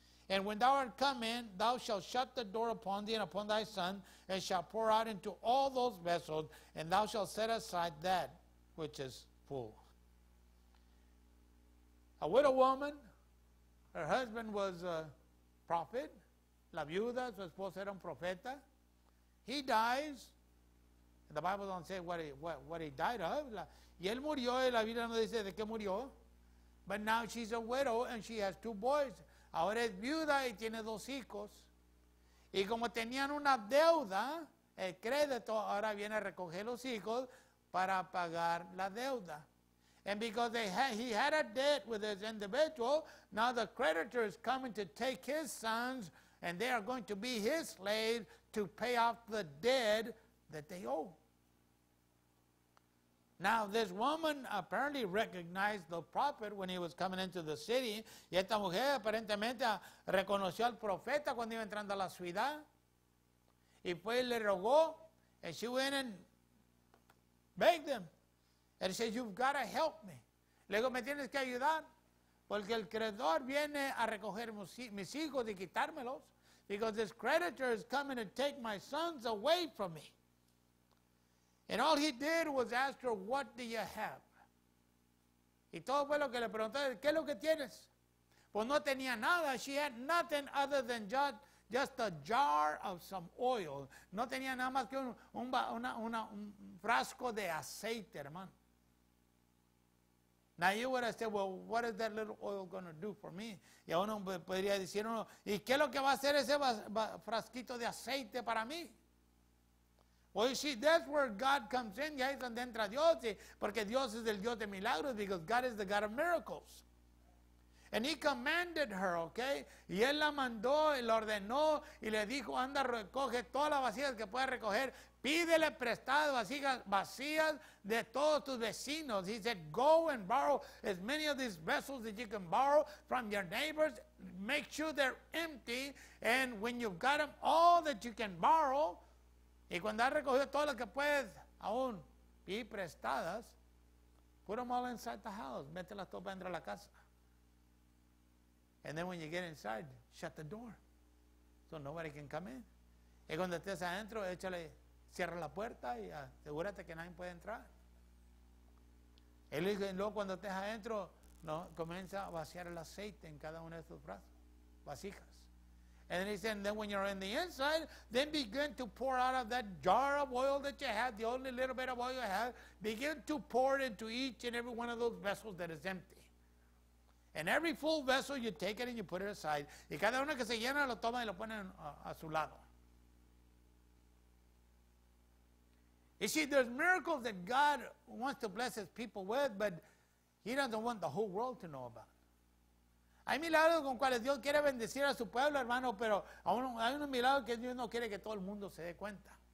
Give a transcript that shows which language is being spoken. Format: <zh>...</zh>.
<en>And when thou art come in, thou shalt shut the door upon thee and upon thy son, and shalt pour out into all those vessels, and thou shalt set aside that which is full. A widow woman, her husband was a prophet.</en> <es>La viuda, su esposa era un profeta.</es> <en>He dies. And the Bible don't say what he died of.</en> <es>Y él murió, y la Biblia no dice de qué murió.</es> <en>But now she's a widow, and she has two boys.</en> <es>Ahora es viuda y tiene dos hijos. Y como tenían una deuda, el crédito ahora viene a recoger los hijos para pagar la deuda.</es> <en>And because he had a debt with this individual, now the creditor is coming to take his sons and they are going to be his slaves to pay off the debt that they owe. Now, this woman apparently recognized the prophet when he was coming into the city.</en> <es>Y esta mujer aparentemente reconoció al profeta cuando iba entrando a la ciudad. Y fue y le rogó.</es> <en>And she went and begged him. And she said, you've got to help me.</en> <es>Le digo, me tienes que ayudar. Porque el creador viene a recoger mis hijos y quitármelos.</es> <en>Because this creditor is coming to take my sons away from me. And all he did was ask her, what do you have?</en> <es>Y todo fue lo que le preguntó, ¿qué es lo que tienes? Pues no tenía nada.</es> <en>She had nothing other than just a jar of some oil.</en> <es>No tenía nada más que un frasco de aceite, hermano.</es> <en>Now you would have said, well, what is that little oil going to do for me?</en> <es>Y a uno podría decir, uno, ¿y qué es lo que va a hacer ese frasquito de aceite para mí?</es> <en>Well, you see, that's where God comes in.</en> <es>Y ahí es donde entra Dios. Porque Dios es el Dios de milagros.</es> <en>Because God is the God of miracles. And he commanded her, okay?</en> <es>Y él la mandó, la ordenó, y le dijo, anda, recoge todas las vasijas que puedas recoger. Pídele prestadas vasijas de todos tus vecinos.</es> <en>He said, go and borrow as many of these vessels that you can borrow from your neighbors. Make sure they're empty. And when you've got them, all that you can borrow.</en> <es>Y cuando has recogido todas las que puedes, aún, y prestadas,</es> <en>put them all inside the house.</en> <es>Mételas todas para entrar a la casa.</es> <en>And then when you get inside, shut the door. So nobody can come in.</en> <es>Y cuando estés adentro, échale, cierra la puerta y asegúrate que nadie puede entrar. Él dijo, y luego cuando estés adentro, no, comienza a vaciar el aceite en cada uno de tus brazos, vasijas.</es> <en>And then he said, and then when you're on the inside, then begin to pour out of that jar of oil that you have, the only little bit of oil you have, begin to pour it into each and every one of those vessels that is empty. And every full vessel, you take it and you put it aside.</en> <es>Y cada uno que se llena lo toma y lo pone a su lado.</es> <en>You see, there's miracles that God wants to bless his people with, but he doesn't want the whole world to know about.</en> <es>Hay milagros con cuales Dios quiere bendecir a su pueblo, hermano, pero hay unos milagros que Dios no quiere que todo el mundo se dé cuenta.</es>